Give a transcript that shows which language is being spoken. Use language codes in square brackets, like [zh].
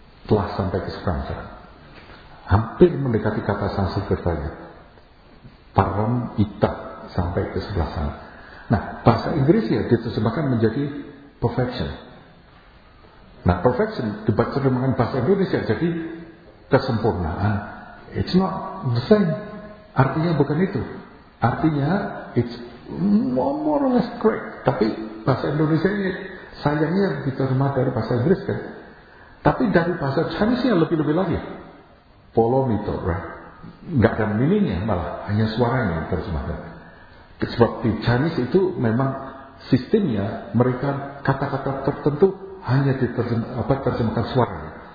[id] Telah sampai ke seberang sana. Hampir mendekati kata Sanskertanya. Param ita sampai ke sebelah sana. Nah, bahasa Inggris ya diterjemahkan menjadi perfection. Nah, perfection dibaca dengan bahasa Inggris ya jadi kesempurnaan. [en] It's not the same. [id] Artinya bukan itu. [en] Artinya it's more or less correct. [id] Tapi bahasa Indonesia ini sayangnya diterjemah dari bahasa Inggris kan. Tapi dari bahasa Chinese-nya lebih-lebih lagi. Polomito, right? Gak ada meaning-nya malah, hanya suaranya yang terjemahkan. Sebab di Chinese itu memang sistemnya mereka kata-kata tertentu hanya diterjemahkan suaranya.